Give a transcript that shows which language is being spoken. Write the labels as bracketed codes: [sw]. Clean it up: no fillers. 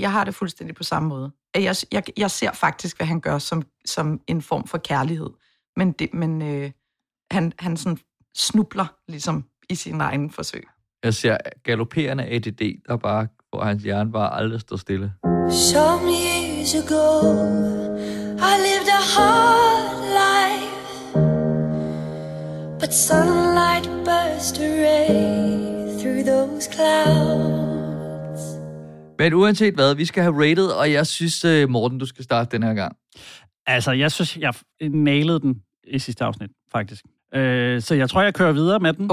[da] Jeg har det fuldstændig på samme måde. Jeg ser faktisk, hvad han gør som en form for kærlighed. Men, han sådan snubler ligesom i sin egen forsøg. Jeg ser galopperende ADD, der bare, hvor hans hjerne bare aldrig står stille. [en] Some years ago, I lived a hard life. But sunlight burst a ray through those clouds. [da] Men uanset hvad, vi skal have rated, og jeg synes, Morten, du skal starte den her gang. Altså, jeg synes, jeg nailede den i sidste afsnit, faktisk. Så jeg tror, jeg kører videre med den.